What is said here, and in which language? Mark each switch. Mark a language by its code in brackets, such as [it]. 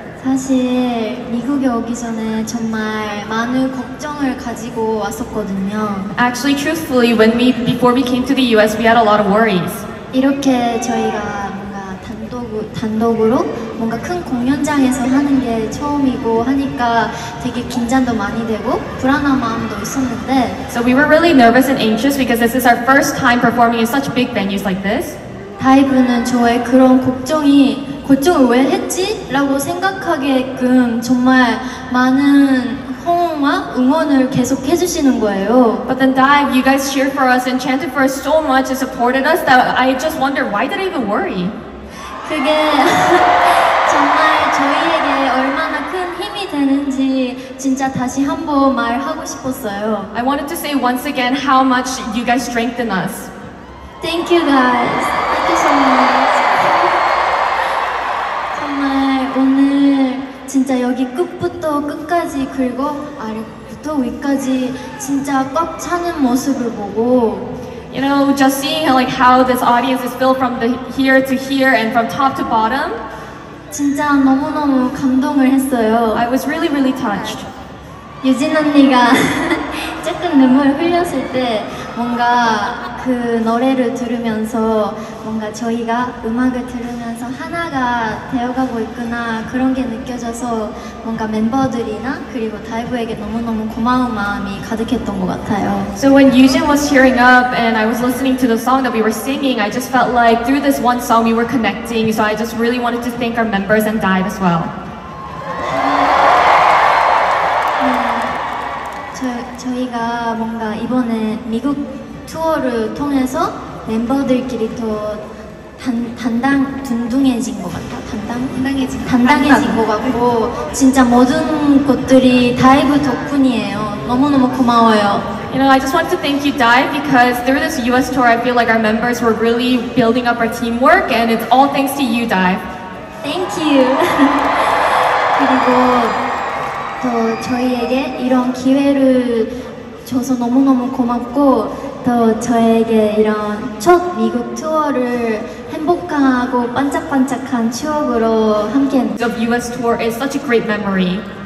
[ko] 사실 미국에 오기 전에 정말 많은 걱정을 가지고 왔었거든요. [en] Actually, truthfully, before we came to the US, we had a lot of worries. [ko] 이렇게 저희가 뭔가 단독으로 뭔가 큰 공연장에서 하는 게 처음이고 하니까 되게 긴장도 많이 되고 불안한 마음도 있었는데 [en] So we were really nervous and anxious because this is our first time performing in such big venues like this. [ko] 다이브는 저의 그런 걱정을 왜 했지? 라고 생각하게끔 정말 많은 호응과 응원을 계속 해주시는 거예요. [en] But then Dive, you guys cheered for us and chanted for us so much and supported us that I just wonder why did I even worry? [ko] 그게 정말 저희에게 얼마나 큰 힘이 되는지 진짜 다시 한번 말하고 싶었어요. [en] I wanted to say once again how much you guys strengthen us. Thank you guys. Thank you so much. [ko] 정말 오늘 진짜 여기 끝부터 끝까지 그리고 아래부터 위까지 진짜 꽉 차는 모습을 보고 [en] You know, just seeing like how this audience is filled from the here to here and from top to bottom. [ko] 진짜 너무너무 감동을 했어요. [en] I was really, really touched. [ko] 유진 언니가 조금 눈물 흘렸을 때 뭔가 그 노래를 들으면서 뭔가 저희가 음악을 들으면서 하나가 되어가고 있구나 그런 게 느껴져서 뭔가 멤버들이나 그리고 다이브에게 너무너무 고마운 마음이 가득했던 것 같아요. [en] So when Yujin was cheering up and I was listening to the song that we were singing, I just felt like through this one song we were connecting. So I just really wanted to thank our members and Dive as well. [ko] 저희가 뭔가 이번에 미국 투어를 통해서 멤버들끼리 더 단단해진 것 같아. 단단해진 것 같고 진짜 모든 것들이 다이브 덕분이에요. 너무너무 고마워요. [en] You know, I just want to thank you, Dive, because through this US tour, I feel like our members were really building up our teamwork, and it's all thanks to you, Dive. Thank you. [ko] 그리고 또 저희에게 이런 기회를 줘서 너무너무 고맙고 또 저에게 이런 첫 미국 투어를 행복하고 반짝반짝한 추억으로 함께 [en] The US tour is such a great memory.